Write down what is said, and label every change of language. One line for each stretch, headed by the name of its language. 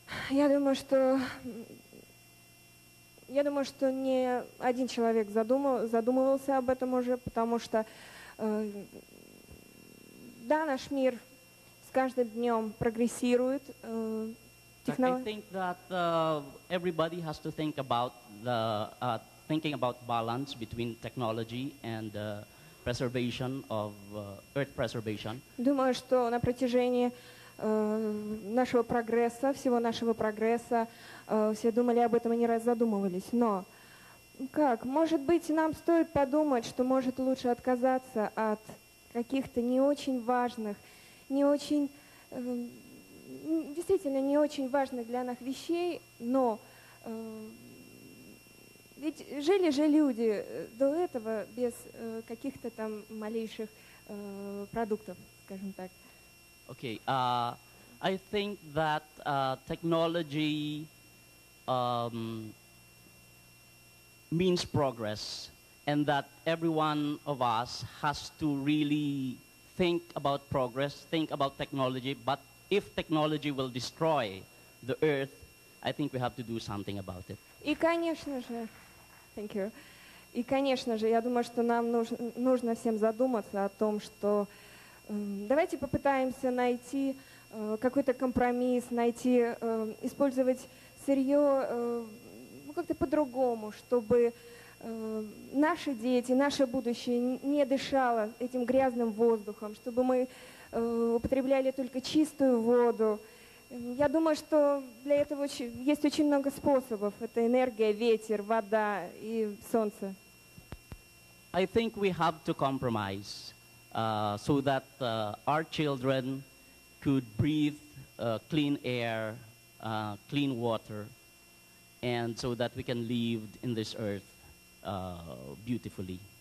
Russian: Я думаю, что не один человек задумывался об этом уже, потому что да, наш мир с каждым днем прогрессирует.
English: I think that everybody has to think about the thinking about balance between technology and preservation of earth preservation.
Russian: Думаю, что на протяжении всего нашего прогресса. Все думали об этом и не раз задумывались. Но как? Может быть, нам стоит подумать, что может лучше отказаться от каких-то не очень важных, не очень важных для нас вещей, но ведь жили же люди до этого без каких-то там малейших продуктов, скажем так. Окей.
English: I think that technology means progress, and that every one of us has to really think about progress, think about technology. But if technology will destroy the earth, I think we have to do something about it.
Russian: И конечно же,
English: thank you.
Russian: И конечно же, я думаю, что нам нужно всем задуматься о том, что давайте попытаемся найти какой-то компромисс, найти, использовать сырье как-то по-другому, чтобы наши дети, наше будущее не дышало этим грязным воздухом, чтобы мы употребляли только чистую воду. Я думаю, что для этого есть очень много способов. Это энергия, ветер, вода и солнце.
English: I think we have to compromise so that our children could breathe clean air, clean water, and so that we can live in this earth beautifully.